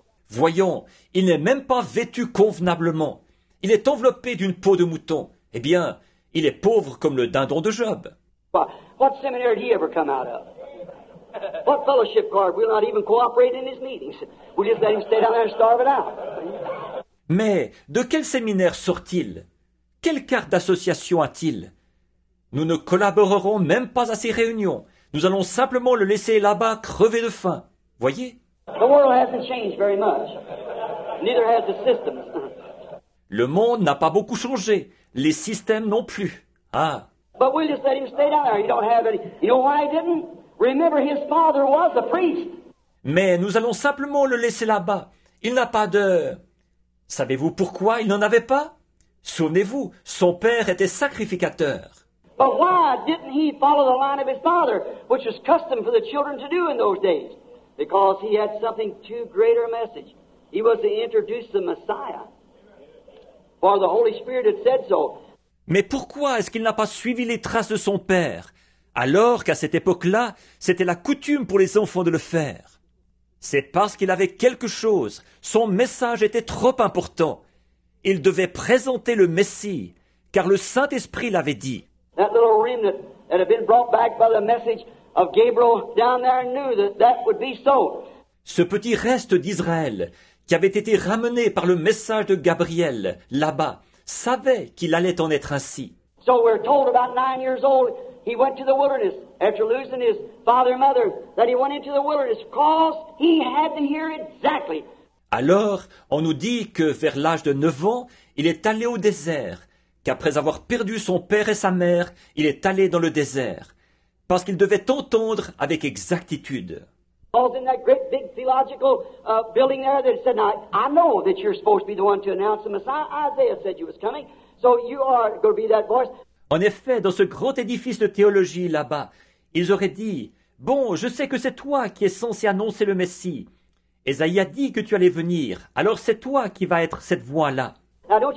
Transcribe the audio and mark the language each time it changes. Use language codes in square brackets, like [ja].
[fr] Voyons, il n'est même pas vêtu convenablement. Il est enveloppé d'une peau de mouton. Eh bien, il est pauvre comme le dindon de Job. [en] What seminary did he ever come out of? What fellowship card? We'll not even cooperate in his meetings. We'll just let him stay down there and starve it out. [fr] Mais de quel séminaire sort-il? Quelle carte d'association a-t-il? Nous ne collaborerons même pas à ses réunions. Nous allons simplement le laisser là-bas crever de faim. Voyez? [en] The world hasn't changed very much. Neither has the system. [fr] Le monde n'a pas beaucoup changé. Les systèmes non plus. Ah. [en] But we'll just let him stay down there. You don't have any. You know why I didn't? Remember, his father was a priest. [fr] Mais nous allons simplement le laisser là-bas. Il n'a pas de... Savez-vous pourquoi il n'en avait pas? Souvenez-vous, son père était sacrificateur. [en] But why didn't he follow the line of his father, which was custom for the children to do in those days? Because he had something too greater a message. He was to introduce the Messiah. For the Holy Spirit had said so. [fr] Mais pourquoi est-ce qu'il n'a pas suivi les traces de son père? Alors qu'à cette époque-là, c'était la coutume pour les enfants de le faire. C'est parce qu'il avait quelque chose. Son message était trop important. Il devait présenter le Messie, car le Saint-Esprit l'avait dit. [en] That little remnant that had been brought back by the message of Gabriel down there knew that that would be so. [fr] Ce petit reste d'Israël, qui avait été ramené par le message de Gabriel là-bas, savait qu'il allait en être ainsi. [en] So we're told about 9 years old. He went to the wilderness after losing his father and mother, that he went into the wilderness because he had to hear exactly. [fr] Alors, on nous dit que vers l'âge de 9 ans, il est allé au désert, qu'après avoir perdu son père et sa mère, il est allé dans le désert, parce qu'il devait entendre avec exactitude. [en] Because in that great big theological building there, they said, now, I know that you're supposed to be the one to announce the Messiah. Isaiah said you was coming, so you are going to be that voice. [fr] En effet, dans ce grand édifice de théologie là-bas, ils auraient dit, « Bon, je sais que c'est toi qui es censé annoncer le Messie. Esaïe a dit que tu allais venir, alors c'est toi qui vas être cette voix-là. »